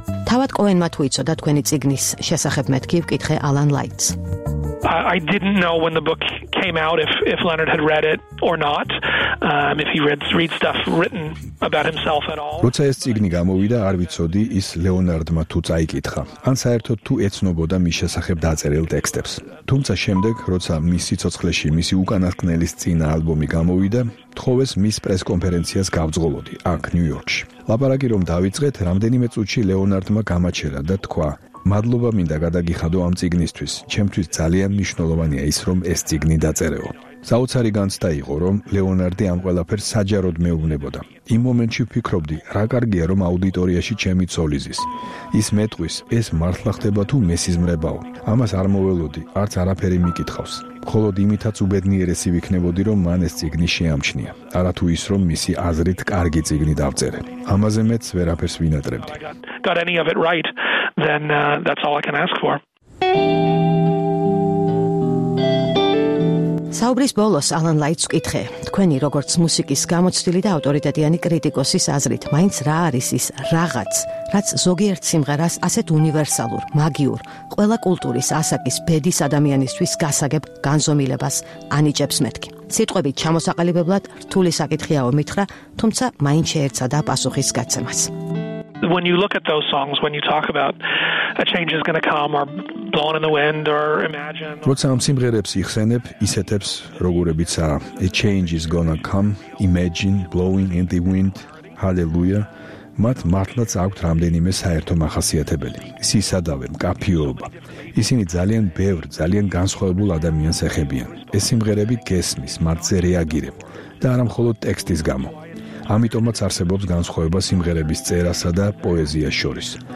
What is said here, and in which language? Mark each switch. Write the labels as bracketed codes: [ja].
[ka] თავად კოენმა თუ იცოდა თქვენი წიგნის შესახებ მეთქი, ვკითხე Alan Lights. [en] I didn't know when the book came out if Leonard had read it or not. If he read stuff written about himself at all. [ka] როცა ეს წიგნი გამოვიდა, არ ვიცოდი ის ლეონარდმა თუ წაიკითხა. ან საერთოდ თუ ეცნობოდა მის შესახებ დაწერილ ტექსტებს. თუმცა შემდეგ, როცა მის სიცოცხლეში მისი უკანასკნელის წინა ალბომი გამოვიდა, თხოვეს მის პრესკონფერენციას გავძღოლოდი აქ ნიუ-იორკში. ლაპარაკი რომ დავიწყეთ, რამდენიმე წუთში ლეონარდმა გამაჩერა და თქვა: მადლობა მინდა გადაგიხადო ამ წიგნისთვის. ჩემთვის ძალიან მნიშვნელოვანია ის, რომ ეს წიგნი დაწერეო. საოცარი განცდა იყო, რომ ლეონარდი ამ ყველაფერს საჯაროდ მეუბნებოდა. იმ მომენტში ვფიქრობდი, რა კარგია, რომ აუდიტორიაში ჩემი ცოლი ზის. ის მეტყვის, ეს მართლა ხდება თუ მესიზმრებაო. ამას არ მოველოდი, არც არაფერი მიკითხავს. მხოლოდ იმითაც უბედნიერესი ვიქნებოდი, რომ მან ეს წიგნი შეამჩნია. არა თუ ის, რომ მისი აზრით კარგი წიგნი დავწერე. ამაზე მეც ვერაფერს ვინატრებდი. [en] Got any of it right, then that's all I can ask for. [ka] საუბრის ბოლოს Alan Lights კითხე, თქვენი როგორც მუსიკის გამოცდილი და ავტორიტეტიანი კრიტიკოსის აზრით, მაინც რა არის ის რაღაც, რაც ზოგიერთ სიმღერას ასეთ უნივერსალურ, მაგიურ, ყველა კულტურის ასაკის ბედის ადამიანისთვის გასაგებ განზომილებას ანიჭებს მეთქი? სიტყვებით ჩამოსაყალიბებლად რთული საკითხია ომითხრა, თუმცა მაინც შეერწადა პასუხის გაცემას. [en] When you look at those songs, when you talk about a change is going to come or blown in the wind or imagine. [ka] როცა ამ სიმღერებს იხსენებ, ისეთებს, როგორებიცა a change is going to come, imagine, blowing in the wind, hallelujah. მათ მართლაც აქვთ რამდენიმე საერთო მახასიათებელი. სისადავე, მკაფიობა. ისინი ძალიან ბევრ, ძალიან განსხვავებულ ადამიანს ეხებიან. ეს სიმღერები გესმის, მარცხზე რეაგირებ და არა მხოლოდ ტექსტის გამო. ამიტომაც არსებობს განსხვავება სიმღერების წერასა და პოეზიას შორის.